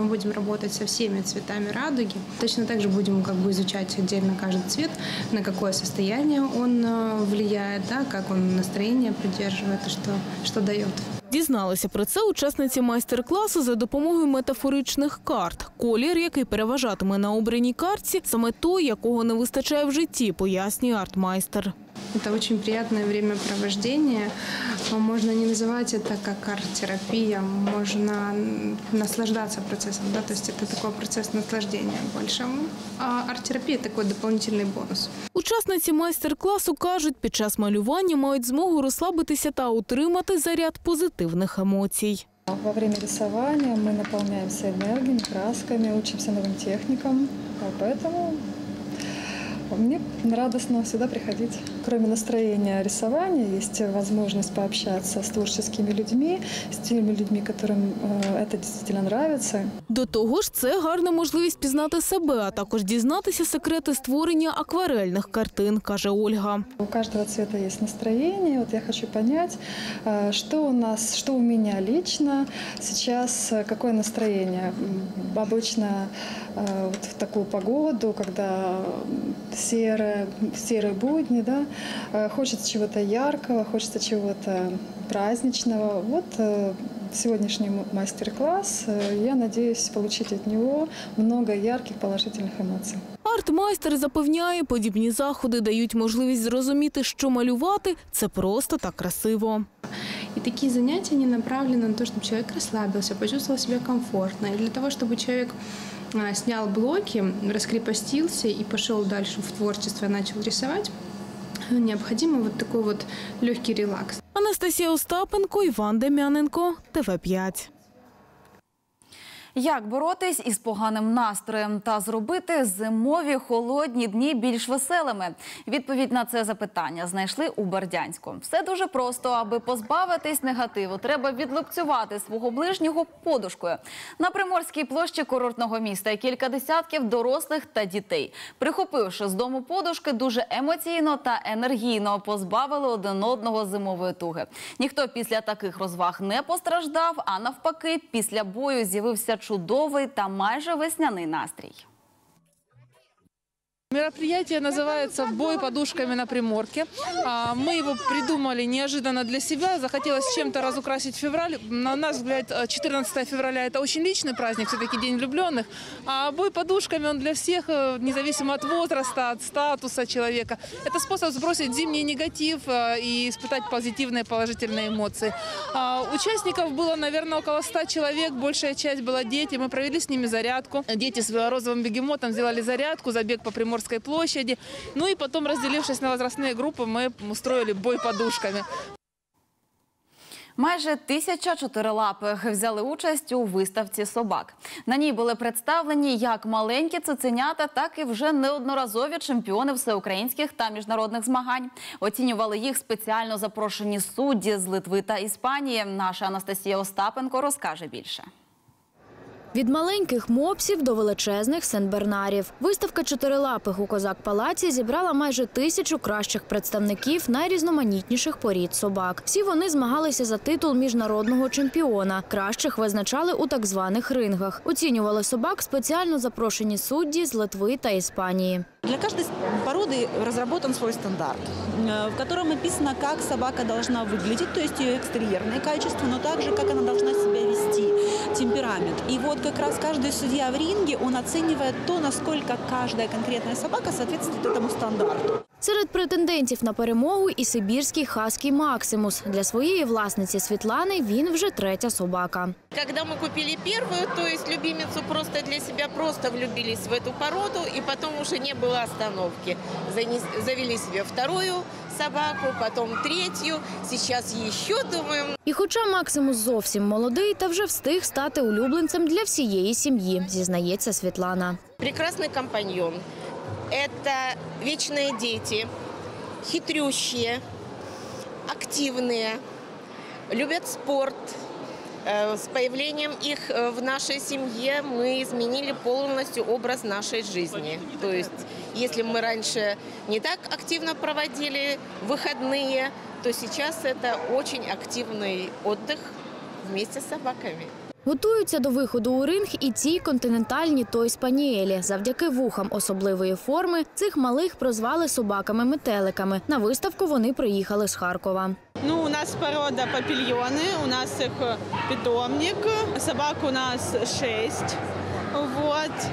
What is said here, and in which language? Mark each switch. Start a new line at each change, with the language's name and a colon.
Ukrainian: Ми будемо працювати зі всіми цвітами радуги.
Russian: Точно так же
Ukrainian: будемо
Russian: как бы,
Ukrainian: изучати віддільно кожен цвіт, на яке стан він впливає, як він настроєння підтримує, що дає. Дізналися про це учасниці майстер-класу за допомогою метафоричних карт. Колір, який переважатиме на обраній картці, саме той, якого не вистачає в житті, пояснює арт-майстер.
Russian: Это очень приятное времяпровождение. Можно не называть это как арт-терапия, можно наслаждаться процессом. Да? То есть это такой процесс наслаждения большому. А арт-терапия – такой дополнительный бонус.
Ukrainian: Учасниці майстер-класу кажуть, під час малювання мають змогу розслабитися та отримати заряд позитивних емоцій.
Russian: Во время рисования мы наполняемся энергией, красками, учимся новым техникам. Поэтому мне радостно сюда приходить. Кроме настроения рисования, есть возможность пообщаться с творческими людьми, с теми людьми, которым это действительно нравится.
Ukrainian: До того ж, це гарна можливість пізнати себе, а також дізнатися секрети створення акварельних картин, каже Ольга.
Russian: У каждого цвета есть настроение. Вот я хочу понять, что у нас, что у меня лично сейчас, какое настроение. Обычно вот в такую погоду, когда серые будни, да, хочется чего-то яркого, хочется чего-то праздничного. Вот сегодняшний майстер-клас, я надеюсь получить от него много ярких положительных эмоций.
Ukrainian: Арт-майстер запевняє, подібні заходи дають можливість зрозуміти, що малювати – це просто та красиво. І такі заняття не направлені на те, щоб чоловік розслабився, почував себе комфортно. І для того, щоб чоловік зняв блоки, розкріпостився і пішов далі в творчество, почав рисувати, необхідно от такий от легкий релакс. Анастасія Остапенко, Іван Дем'яненко, ТВ5. Як боротись із поганим настроєм та зробити зимові холодні дні більш веселими? Відповідь на це запитання знайшли у Бердянську. Все дуже просто. Аби позбавитись негативу, треба відлупцювати свого ближнього подушкою. На Приморській площі курортного міста кілька десятків дорослих та дітей. Прихопивши з дому подушки, дуже емоційно та енергійно позбавили один одного зимової туги. Ніхто після таких розваг не постраждав, а навпаки, після бою з'явився чудовий та майже весняний настрій.
Russian: Мероприятие называется «Бой подушками на Приморке». Мы его придумали неожиданно для себя. Захотелось чем-то разукрасить февраль. На наш взгляд, 14 февраля – это очень личный праздник, все-таки День влюбленных. А бой подушками, он для всех, независимо от возраста, от статуса человека. Это способ сбросить зимний негатив и испытать позитивные, положительные эмоции. Участников было, наверное, около 100 человек. Большая часть была дети. Мы провели с ними зарядку. Дети с розовым бегемотом сделали зарядку, забег по Приморской площади. Ну и потом, разделившись на возрастные группы, мы устроили бой подушками.
Ukrainian: Майже 1004 лапих взяли участь у виставці собак. На ній були представлені як маленькі цуценята, так і вже неодноразові чемпіони всеукраїнських та міжнародних змагань. Оцінювали їх спеціально запрошені судді з Литви та Іспанії. Наша Анастасія Остапенко розкаже більше. Від маленьких мопсів до величезних сенбернарів. Виставка чотирилапих у Козак-палаці зібрала майже 1000 кращих представників найрізноманітніших порід собак. Всі вони змагалися за титул міжнародного чемпіона. Кращих визначали у так званих рингах. Оцінювали собак спеціально запрошені судді з Литви та Іспанії.
Russian: Для каждой породы разработан свой стандарт, в котором написано, как собака должна выглядеть, то есть ее экстерьерные качества, но также, как она должна себя вести, темперамент. И вот как раз каждый судья в ринге, он оценивает то, насколько каждая конкретная собака соответствует этому стандарту.
Ukrainian: Серед претендентів на перемогу і сибірський хаски Максимус. Для своєї власниці Світлани він вже третя собака. Коли ми купили першу,
Russian: то есть любимицу просто для себе просто влюбились в эту породу,
Ukrainian: і потім уже не було
Russian: остановки. Завели себе вторую собаку,
Ukrainian: потім третю,
Russian: сейчас
Ukrainian: ще думаємо. І хоча Максимус зовсім молодий, та вже встиг стати улюбленцем для всієї сім'ї, зізнається Світлана. Прекрасний компаньон.
Russian: Это вечные дети, хитрющие, активные, любят спорт. С появлением их в нашей семье мы изменили полностью образ нашей жизни. То есть, если мы раньше не так активно проводили выходные, то сейчас это очень активный отдых вместе с собаками.
Ukrainian: Готуються до виходу у ринг і ці континентальні той-спанієлі. Завдяки вухам особливої форми цих малих прозвали собаками-метеликами. На виставку вони приїхали з Харкова. Ну, у нас порода папільйони, у нас їх питомник, собак у нас 6. От.